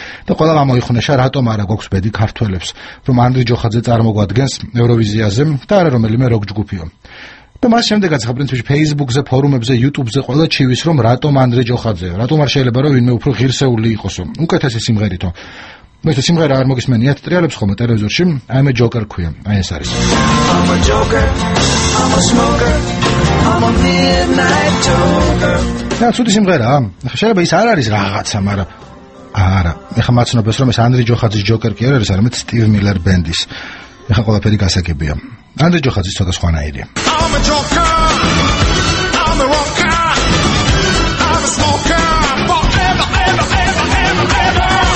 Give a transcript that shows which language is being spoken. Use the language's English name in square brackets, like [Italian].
[Georgian] და ყველა მომიხუნეშა, რატომ არა გვაქვს ბედი ქართველებს, რომ ანდრი ჯოხაძე წარმოგვადგენს ევროვიზიაზე და არა რომელიმე როკ ჯგუფიო. და მას შემდეგაც ხა პრინციპში Facebook-ზე, ფორუმებზე, YouTube-ზე ყველა ჩივის, რომ რატომ ანდრე ჯოხაძე, რატომ არ შეიძლება რომ ვინმე უფრო ღირსეული იყოსო. უკეთესი სიმღერითო. მე ეს სიმღერა არ მოგისმენიათ, ტრიალებს ხომ ტელევიზორში, აი მე ჯოკერ ქვია, აი ეს არის. [English] I'm a joker. I'm a smoker. I'm a midnight joker. [Georgian] და ცუდი სიმღერა. ხა შეიძლება ის არ არის რაღაცა, მაგრამ არა. ეხა მაცნობებს რომ ეს ანდრე ჯოხაძის ჯოკერ კი არ არის, არამედ Steve Miller Band-ის. ეხა ყველაფერი გასაგებია. ანდრე ჯოხაძის ცოტა სხვანაირია. [English] I'm a joker, I'm a rocker, I'm a smoker, forever, ever, ever, ever, ever.